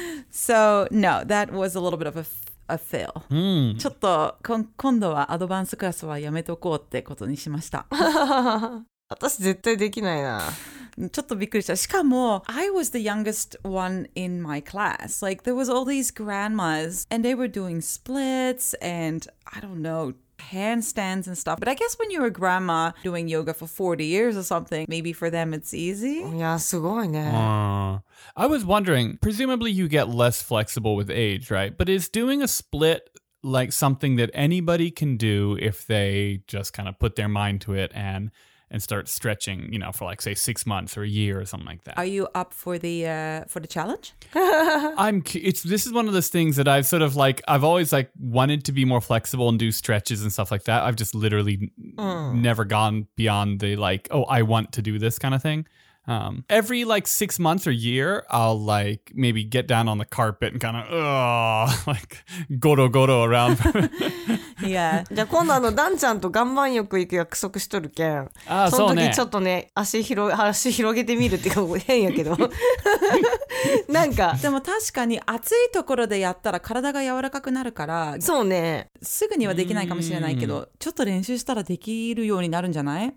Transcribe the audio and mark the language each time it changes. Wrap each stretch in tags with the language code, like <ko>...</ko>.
<en>So, no, that was a little bit of a fail. Mm.</en> <ja>ちょっと今度はアドバンスクラスはやめとこうってことにしました。私絶対できないな。ちょっとびっくりした。しかも、</ja> <en>I was the youngest one in my class. Like, there was all these grandmas, and they were doing splits, and I don't know, handstands and stuff. But I guess when you're a grandma doing yoga for 40 years or something, maybe for them it's easy.</en> <ja>Yeah, すごいね。</ja> <en>I was wondering, presumably you get less flexible with age, right? But is doing a split like something that anybody can do if they just kind of put their mind to it and and start stretching, you know, for like, say, 6 months or a year or something like that. Are you up for the challenge? This is one of those things that I've sort of like, I've always like wanted to be more flexible and do stretches and stuff like that. I've just literally never gone beyond the like, oh, I want to do this kind of thing. Every like 6 months or year, I'll like maybe get down on the carpet and kind of, like goro goro around. Yeah.</en> <ja>じゃあ今度あのダンちゃんと岩盤浴行く約束しとるけん。ああ、そうね。その時ちょっとね、足広げてみるっていうか変やけど。なんか。でも確かに暑いところでやったら体が柔らかくなるから。そうね。すぐにはできないかもしれないけど、ちょっと練習したらできるようになるんじゃない？</ja>